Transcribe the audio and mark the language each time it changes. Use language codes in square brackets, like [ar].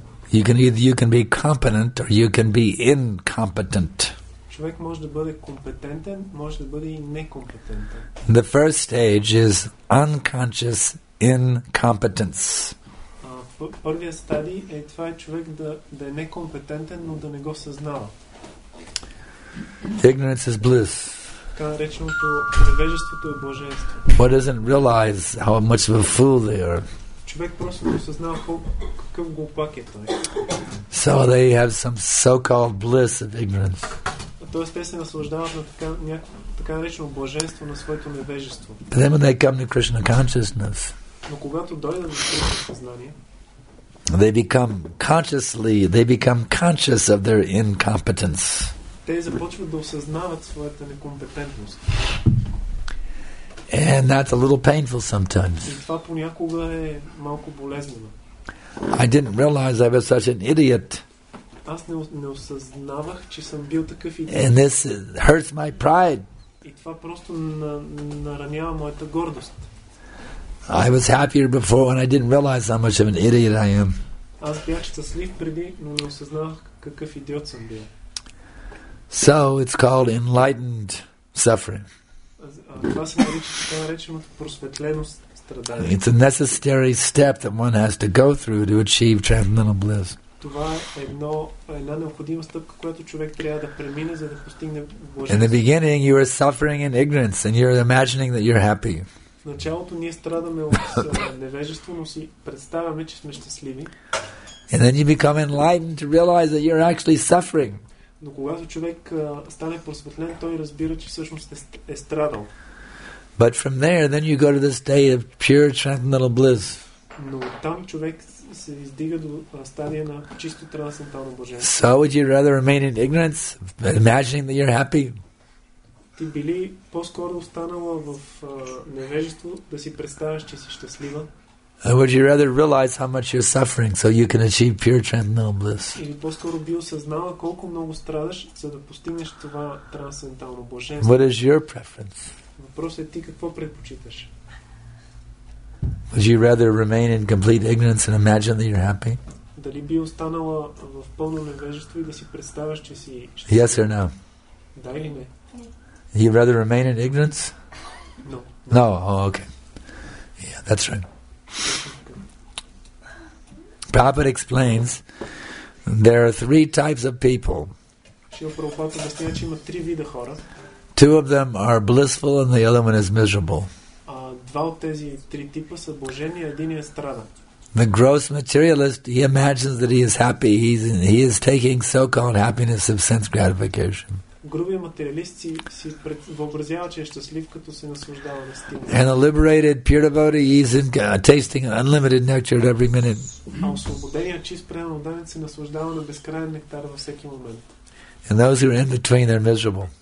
[en] You can be competent or you can be incompetent. The first stage is unconscious incompetence. [bg] Първият стадий е това е човек да е некомпетентен, но да не го съзнава. [en] Ignorance is bliss. [bg] Така нареченото невежеството е блаженство. [en] One doesn't realize how much of a fool they are. [bg] Човек просто не осъзнава какъв глупак е той. [en] So they have some so-called bliss of ignorance. [bg] Тоест те се наслаждават на така наречено блаженство на своето невежество. [en] But then when they come to Krishna consciousness. [bg] Но когато дойдат до Кришна съзнание, [en] They become conscious of their incompetence. [bg] Те започват да осъзнават своята некомпетентност. [en] And that's a little painful sometimes. [bg] И това понякога е малко болезнено. [en] I didn't realize I was such an idiot. [bg] Аз не осъзнавах, че съм бил такъв идиот. [en] And this hurts my pride. [bg] И това просто наранява моята гордост. [en] I was happier before when I didn't realize how much of an idiot I am. [bg] Аз бях щастлив преди, но не осъзнавах какъв идиот съм бил. [en] So it's called enlightened suffering. [bg] Това се нарича така нареченото просветлено страдание. [en] It's a necessary step that one has to go through to achieve transcendental bliss. [bg] Това е една необходима стъпка, която човек трябва да премине, за да постигне блаженство. [en] In the beginning you are suffering in ignorance and you're imagining that you're happy. [bg] В началото ние страдаме от невежество, но си представяме, че сме щастливи. [en] And then you become enlightened to realize that you're actually suffering. [bg] Но когато човек стане просветлен, той разбира, че всъщност е страдал. [en] But from there, then you go to the state of pure transcendental bliss. [bg] Но там човек се издига до стадия на чисто трансцендентално блаженство. [en] So would you rather remain in ignorance, imagining that you're happy? [bg] Ти били по-скоро останала в невежество да си представяш, че си щастлива. [en] Or would you rather realize how much you're suffering so you can achieve pure transcendental bliss? [bg] Или по-скоро би осъзнала колко много страдаш, за да постигнеш това трансцендентално блаженство. [en] What is your preference? [bg] Въпросът е ти какво предпочиташ? [en] Would you rather remain in complete ignorance and imagine that you're happy? [bg] Дали би останала в пълно невежество и да си представяш, че си щастлива? [en] Yes or no? [bg] Да или не? [en] You'd rather remain in ignorance? No. No, oh, okay. Yeah, that's right. Prabhupada explains there are three types of people. Two of them are blissful and the other one is miserable. The gross materialist, he imagines that he is happy. He is taking so-called happiness of sense gratification. [bg] Грубият материалист си въобразява, че е щастлив, като се наслаждава на стимул. [en] And a liberated pure devotee is tasting unlimited nectar at every minute. [bg] А освободеният чист преданоданец се наслаждава на безкрайен нектар във всеки момент. [en] And those who are in between, they're miserable.